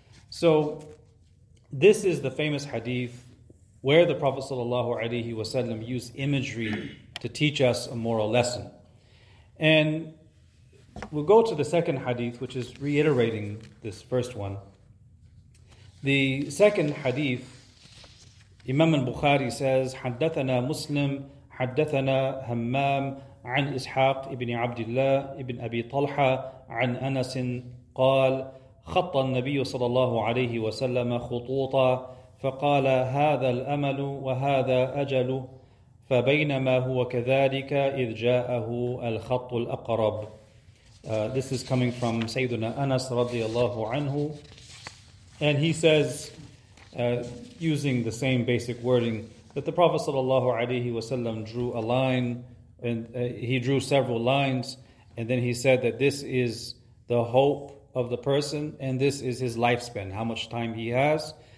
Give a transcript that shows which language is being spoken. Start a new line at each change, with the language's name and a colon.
English: So this is the famous hadith where the Prophet sallallahu alaihi wasallam used imagery to teach us a moral lesson. And we'll go to the second hadith, which is reiterating this first one. The second hadith, Imam al-Bukhari says,
Arabic: حَدَّثَنَا مُسْلِمْ حَدَّثَنَا هَمَّامْ عَنْ إِسْحَاقِ إِبْنِ عَبْدِ اللَّهِ إِبْنِ أَبِي طَلْحَى عَنْ أَنَسٍ قَالَ خَطَّ النَّبِيُّ صَلَى اللَّهُ عَلَيْهِ وَسَلَّمَ خُطُوطًا فَقَالَ هَذَا الْأَمَلُ وَهَذَا أَجَلُ فَبَيْنَمَا هُوَ كَذَلِكَ إِذْ جَاءَهُ الْخَطُّ الْأَقْرَبُ.
English: This is coming from Sayyidina Anas radiallahu anhu. And he says, using the same basic wording, that the Prophet sallallahu alaihi wasallam drew a line, and he drew several lines, and then he said that this is the hope of the person, and this is his lifespan, how much time he has.